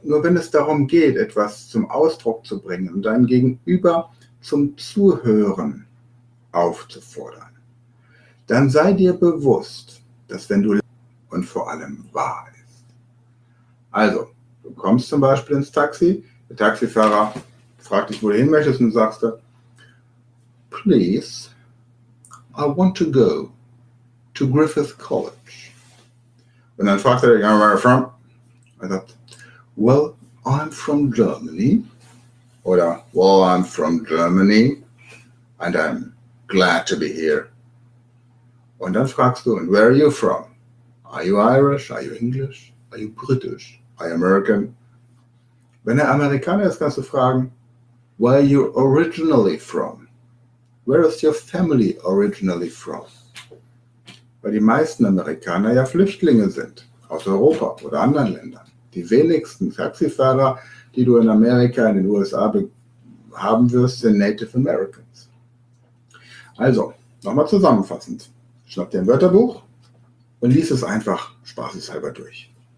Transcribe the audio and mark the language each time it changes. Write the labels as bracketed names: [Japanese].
[German] Nur wenn es darum geht, etwas zum Ausdruck zu bringen und dein Gegenüber zum Zuhören aufzufordern, dann sei dir bewusst, dass wenn du und vor allem wahr ist. Also, du kommst zum Beispiel ins Taxi, der Taxifahrer fragt dich, wo du hin möchtest und sagst, [English] please, I want to go to Griffith College. [German] Und dann fragt er, [English] where are you from? I thought, well, I'm from Germany. Oder, well, I'm from Germany and I'm glad to be here. [German] Und dann fragst du, [English] and where are you from? Are you Irish? Are you English? Are you British? Are you American? [German] Wenn er Amerikaner ist, kannst du fragen, [English] where are you originally from? Where is your family originally from? [German] Weil die meisten Amerikaner ja Flüchtlinge sind, aus Europa oder anderen Ländern. Die wenigsten Taxifahrer, die du in Amerika, in den USA haben wirst, sind Native Americans. Also, nochmal zusammenfassend. Schnapp dir ein Wörterbuch und lies es einfach spaßeshalber durch.